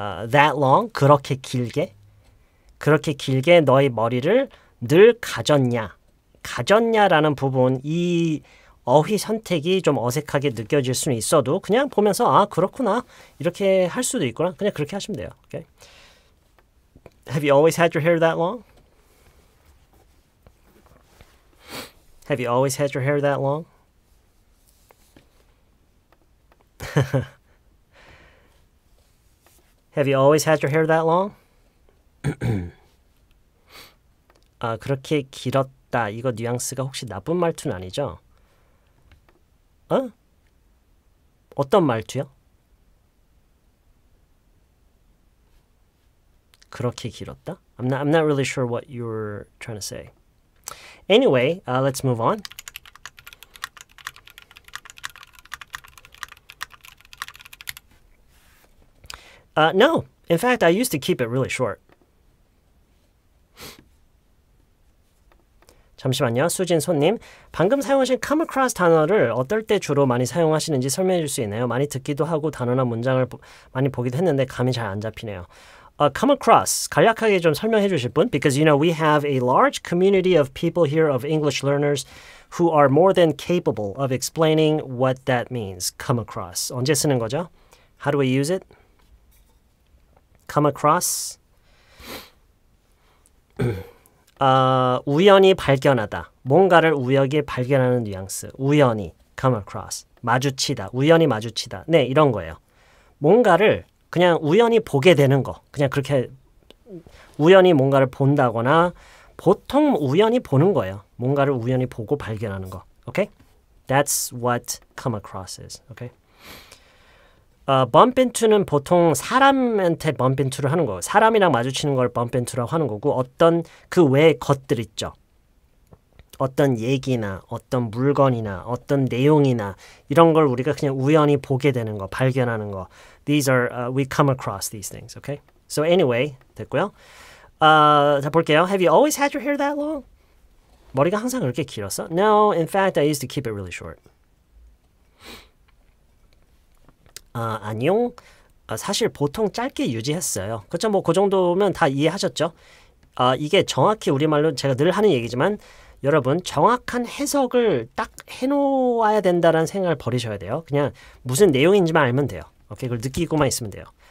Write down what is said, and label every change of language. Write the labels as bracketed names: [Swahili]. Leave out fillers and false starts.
[English] That long, [Korean] 그렇게 길게, 그렇게 길게 너의 머리를 늘 가졌냐, 가졌냐라는 부분, 이 어휘 선택이 좀 어색하게 느껴질 수는 있어도 그냥 보면서 아 그렇구나 이렇게 할 수도 있구나 그냥 그렇게 하시면 돼요. [English] Okay. Have you always had your hair that long? Have you always had your hair that long? Have you always had your hair that long? [Korean] 아, 그렇게 길었다. 이거 뉘앙스가 혹시 나쁜 말투는 아니죠? 어? 어떤 말투요? 그렇게 길었다? [English] I'm not really sure what you're trying to say. Anyway, let's move on. No. In fact, I used to keep it really short. [Korean] 잠시만요. 수진 손님. 방금 사용하신 come across 단어를 어떨 때 주로 많이 사용하시는지 설명해 줄 수 있나요? 많이 듣기도 하고 단어나 문장을 많이 보기도 했는데 감이 잘 안 잡히네요. [English] Come across. [Korean] 간략하게 좀 설명해 주실 분? [English] Because, you know, we have a large community of people here of English learners who are more than capable of explaining what that means, come across. [Korean] 언제 쓰는 거죠? [English] How do we use it? Come across. [Korean] 우연히 발견하다. 뭔가를 우연히 발견하는 뉘앙스. 우연히. Come across. 마주치다. 우연히 마주치다. 네, 이런 거예요. 뭔가를 그냥 우연히 보게 되는 거. 그냥 그렇게 우연히 뭔가를 본다거나 보통 우연히 보는 거예요. 뭔가를 우연히 보고 발견하는 거. [English] Okay? That's what come across is. Okay? [Korean] Bump into는 보통 사람한테 bump into를 하는 거예요. 사람이랑 마주치는 걸 bump into라고 하는 거고 어떤 그 외의 것들 있죠. 어떤 얘기나 어떤 물건이나 어떤 내용이나 이런 걸 우리가 그냥 우연히 보게 되는 거, 발견하는 거. [English] These are, we come across these things, okay? So anyway, [Korean] 됐고요. 자, 볼게요. [English] Have you always had your hair that long? [Korean] 머리가 항상 그렇게 길었어? [English] No, in fact, I used to keep it really short. [Korean] 안녕? 사실 보통 짧게 유지했어요. 그렇죠, 뭐 그 정도면 다 이해하셨죠? 이게 정확히 우리말로 제가 늘 하는 얘기지만 여러분, 정확한 해석을 딱 해놓아야 된다는 생각을 버리셔야 돼요. 그냥 무슨 내용인지만 알면 돼요. 오케이, 그걸 느끼고만 있으면 돼요.